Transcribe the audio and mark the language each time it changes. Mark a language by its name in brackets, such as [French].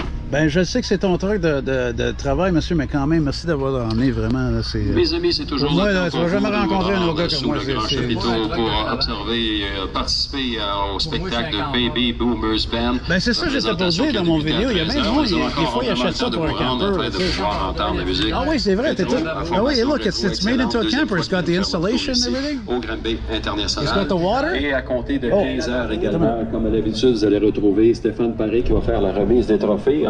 [French] Ben, je sais que c'est ton truc de travail, monsieur, mais quand même, merci d'avoir emmené vraiment. Là, c'est, mes amis, c'est toujours un plaisir. Tu vas jamais rencontrer un autre gars comme moi. Sous le grand chapiteau pour observer, participer au spectacle de Baby Boomers Band. Ben, c'est ça que j'étais posé dans mon vidéo. Il y a même moi, des fois, il achète ça pour un camper. Ah oui, c'est vrai. Ah oui, [English] look, it's made into a camper. It's got the installation and everything. [French] Au Granby International. [English] It's got the water. [French] Et à compter de 15h également, comme à l'habitude, vous allez retrouver Stéphane Paré qui va faire la remise des trophées.